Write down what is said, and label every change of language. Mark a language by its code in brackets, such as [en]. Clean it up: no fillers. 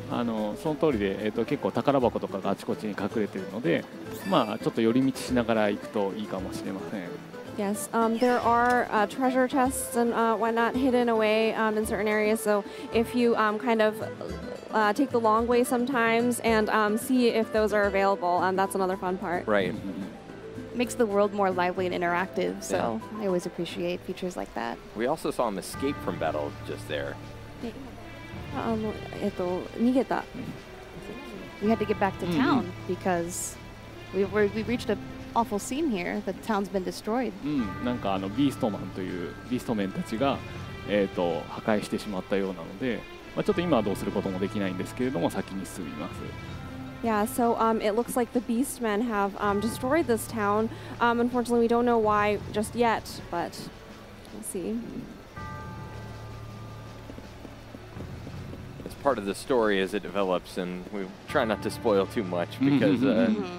[ja] あのその通りで結構宝箱とかがあちこちに隠れているので。まあ、ちょっと寄り道しながら行くといいかもしれません。 [en] Yes, there are treasure chests and whatnot hidden away in certain areas. So if you kind of take the long way sometimes and see if those are available, that's another fun part. Right. Makes the world more lively and interactive. So I always appreciate features like that. We also saw him escape from battle just there. [ja] 逃げた。 [en] We had to get back to town because. We've reached an awful scene here. The town's been destroyed. [ja] なんかあのビーストマンというビーストメンたちが破壊してしまったようなので、まあちょっと今はどうすることもできないんですけれども先に進みます。 [en] Yeah, so it looks like the beast men have destroyed this town. Unfortunately, we don't know why just yet, but we'll see. It's part of the story as it develops, and we try not to spoil too much because.